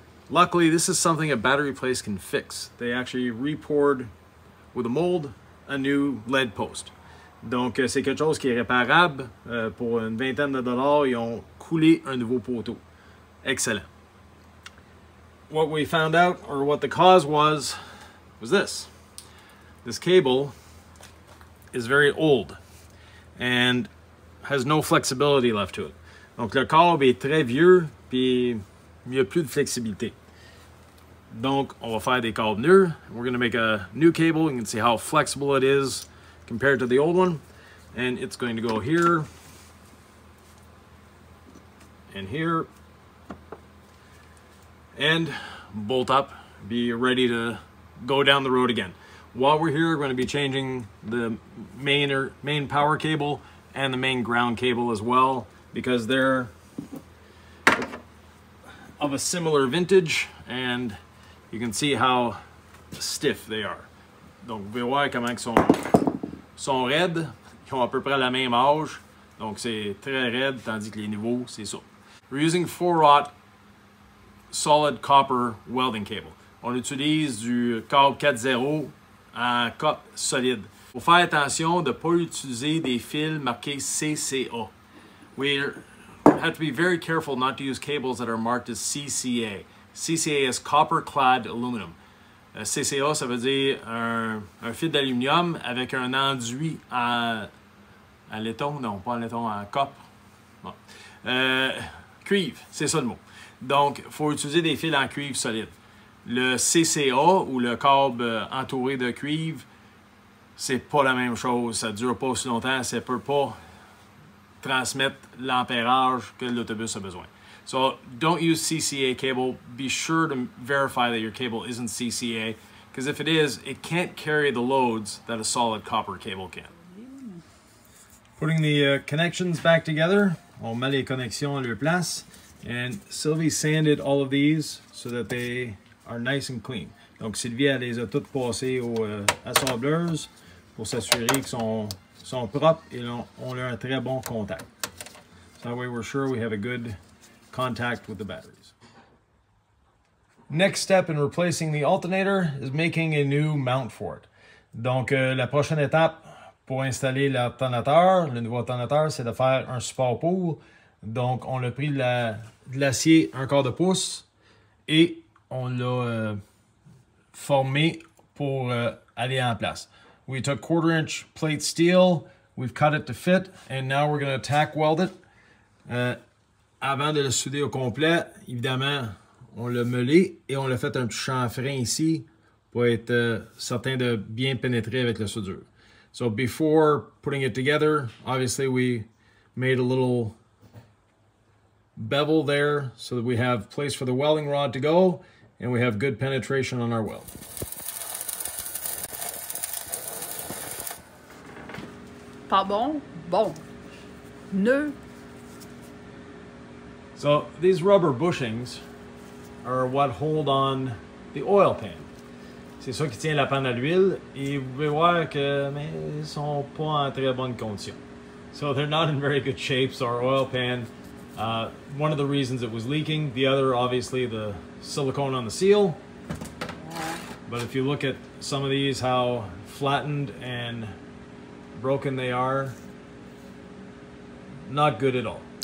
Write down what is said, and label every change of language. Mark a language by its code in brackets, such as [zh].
[en] Luckily, this is something a battery place can fix. They actually re-poured with a mold a new lead post. [fr] Donc c'est quelque chose qui est réparable. Pour une vingtaine de dollars, ils ont coulé un nouveau poteau. Excellent. [en] What we found out, or what the cause was this. This cable is very old and has no flexibility left to it. [fr] Donc le câble est très vieux, puis il n'y a plus de flexibilité. Donc on va faire des câbles neufs. [en] We're going to make a new cable. You can see how flexible it is compared to the old one. And it's going to go here and here. And bolt up, be ready to go down the road again. While we're here, we're going to be changing the main power cable and the main ground cable as well, because they're of a similar vintage, and you can see how stiff they are. [fr] Donc, vous pouvez voir comment ils sont raides. Ils ont à peu près la même âge, donc c'est très raide, tandis que les niveaux, c'est ça. [en] We're using 4-aught solid copper welding cable. [fr] On utilise du câble 4-0 en copre solide. Faut faire attention de ne pas utiliser des fils marqués CCA. [en] We have to be very careful not to use cables that are marked as CCA. CCA is copper clad aluminum. [fr] CCA, ça veut dire un fil d'aluminium avec un enduit en laiton, non, pas en laiton, en copre. Bon. Cuivre, c'est ça le mot. Donc, il faut utiliser des fils en cuivre solide. Le CCA, ou le câble entouré de cuivre, c'est pas la même chose. Ça ne dure pas aussi longtemps. Ça ne peut pas transmettre l'ampérage que l'autobus a besoin. [en] So, don't use CCA cable. Be sure to verify that your cable isn't CCA. Because if it is, it can't carry the loads that a solid copper cable can. Putting the connections back together. [fr] On met les connexions à leur place. [en] And Sylvie sanded all of these so that they are nice and clean. [fr] Donc Sylvie elle les a toutes passées aux assembleuses pour s'assurer qu'ils sont propres et on a un très bon contact. [en] That way we're sure we have a good contact with the batteries. Next step in replacing the alternator is making a new mount for it. [fr] Donc la prochaine étape pour installer l'alternateur, le nouveau alternateur, c'est de faire un support pour. Donc, on a pris de l'acier un quart de pouce et on l'a formé pour aller en place. [en] We took quarter inch plate steel, we've cut it to fit, and now we're going to tack weld it. [fr] Avant de le souder au complet, évidemment, on l'a meulé et on l'a fait un petit chanfrein ici pour être certain de bien pénétrer avec la soudure. [en] So, before putting it together, obviously, we made a little bevel there so that we have place for the welding rod to go and we have good penetration on our weld. [fr] Pas bon, bon. Neuf. [en] So these rubber bushings are what hold on the oil pan. [fr] C'est ça qui tient la panne à l'huile et vous pouvez voir que mais ils sont pas en très bonne condition. [en] So they're not in very good shape, so our oil pan. One of the reasons it was leaking, the other obviously the silicone on the seal. But if you look at some of these, how flattened and broken they are, not good at all.